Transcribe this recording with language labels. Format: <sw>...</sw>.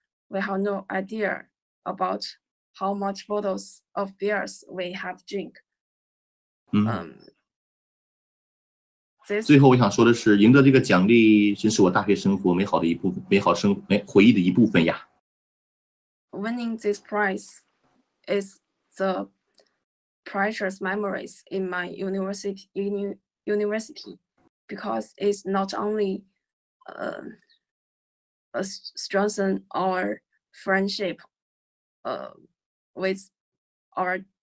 <en>We have no idea about how much bottles of beers we have drink.</en> <zh>最后我想说的是，赢得这个奖励真是我大学生活美好的一部分，美好生回忆的一部分呀。</zh> <en>Winning this prize is the precious memories in my university because it's not only strengthen our friendship with our</en>